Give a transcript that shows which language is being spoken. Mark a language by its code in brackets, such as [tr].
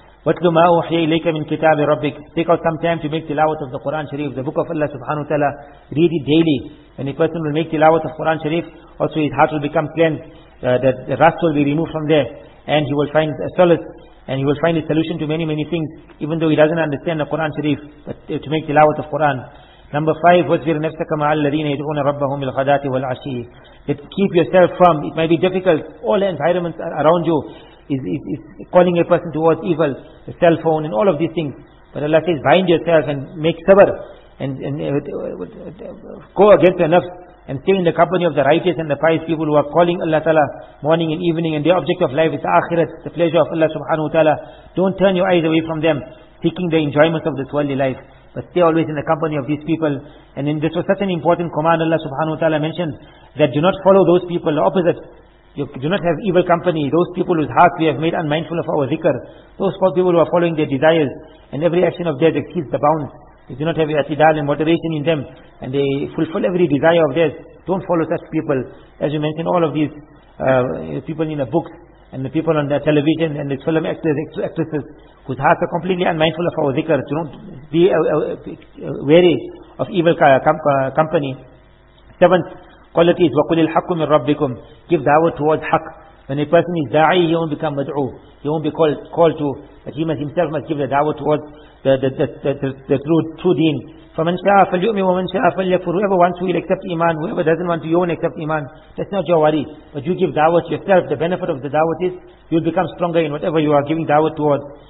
[ar] وَاتْلُ مَا أُوحِيَ إِلَيْكَ مِنْ كِتَابِ رَبِّكَ. [en] Take out some time to make tilawat of the Qur'an Sharif, the book of Allah subhanahu wa ta'ala. Read it daily. And a person will make tilawat of Qur'an Sharif, also his heart will become cleansed, the rust will be removed from there, and he will find a solace, and he will find a solution to many, many things, even though he doesn't understand the Qur'an Sharif, but to make tilawat of Qur'an. Number five, [ar] وَاتْفِرْ نَفْسَكَ مَعَ الَّذِينَ يَدْعُونَ رَبَّهُمْ بِالْغَدَاةِ وَالْعَشِيِّ. [en] That keep yourself from, it might be difficult, all the environments around you, is calling a person towards evil, the cell phone and all of these things. But Allah says, bind yourself and make sabr and go against the nafs and stay in the company of the righteous and the pious people who are calling Allah Ta'ala morning and evening, and their object of life is the akhirat, the pleasure of Allah Subhanahu Wa Ta'ala. Don't turn your eyes away from them, seeking the enjoyments of this worldly life. But stay always in the company of these people. And this was such an important command Allah Subhanahu Wa Ta'ala mentioned, that do not follow those people, the opposite. You do not have evil company, those people whose hearts we have made unmindful of our dhikr, those poor people who are following their desires, and every action of theirs exceeds the bounds. They do not have atidal and moderation in them, and they fulfill every desire of theirs. Don't follow such people. As you mentioned, all of these people in the books, and the people on the television, and the film actors, actresses, whose hearts are completely unmindful of our dhikr, do not be wary of evil company. Seventh, qualities, [ar] وَقُلِ الْحَقُّ مِنْ رَبِّكُمْ. [en] Give da'wah towards haqq. When a person is da'i, he won't become mad'u. He won't be called to. But he must himself give the da'wah towards the true deen. [ar] فَمَنْ شَاءَ فَلْيُؤْمِنْ وَمَنْ شَاءَ فَلْيَكْفُرْ. [en] Whoever wants to, he'll accept iman. Whoever doesn't want to, you won't accept iman. That's not your worry. But you give da'wah to yourself. The benefit of the da'wah is, you'll become stronger in whatever you are giving da'wah towards.